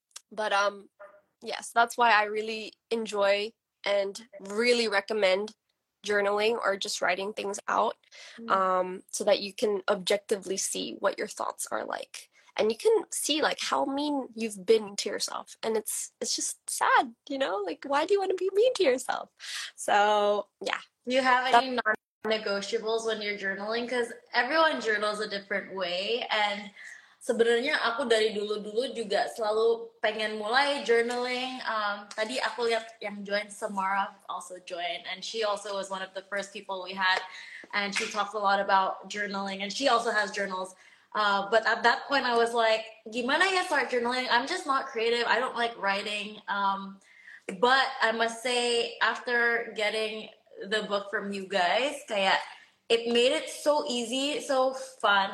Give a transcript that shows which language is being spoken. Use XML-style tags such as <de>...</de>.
<en>But yes, that's why I really enjoy and really recommend journaling or just writing things out, so that you can objectively see what your thoughts are like, and you can see like how mean you've been to yourself, and it's just sad, you know, like, why do you want to be mean to yourself? So yeah. Do you have any non-negotiables when you're journaling? Because everyone journals a different way.</en> <id>And sebenarnya aku dari dulu-dulu juga selalu pengen mulai journaling. Tadi aku lihat yang join, Samara</id> <en>also joined. And she also was one of the first people we had. And she talks a lot about journaling. And she also has journals. But at that point, I was like,</en> <id>gimana ya</id> <en>start journaling? I'm just not creative. I don't like writing. But I must say, after getting the book from you guys, kayak, it made it so easy, so fun.</en>